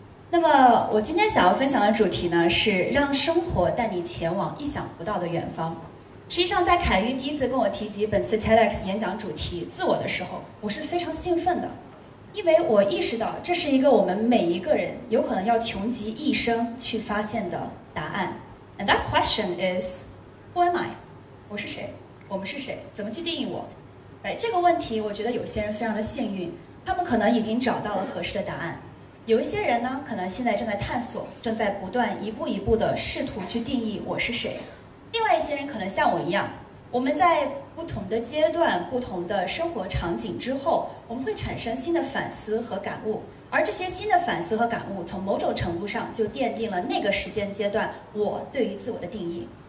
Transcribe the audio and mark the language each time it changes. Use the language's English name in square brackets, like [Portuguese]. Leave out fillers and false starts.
[Chinese] 那么我今天想要分享的主题呢，是让生活带你前往意想不到的远方。实际上在凯玉第一次跟我提及本次 TEDx 演讲主题自我的时候，我是非常兴奋的，因为我意识到这是一个我们每一个人有可能要穷极一生去发现的答案。 [English] And that question is Who am I? [Chinese] 我是谁？我们是谁？怎么去定义我？这个问题我觉得有些人非常的幸运，他们可能已经找到了合适的答案。有一些人呢，可能现在正在探索，正在不断一步一步的试图去定义我是谁。另外一些人可能像我一样，我们在不同的阶段、不同的生活场景之后，我们会产生新的反思和感悟，而这些新的反思和感悟从某种程度上就奠定了那个时间阶段我对于自我的定义。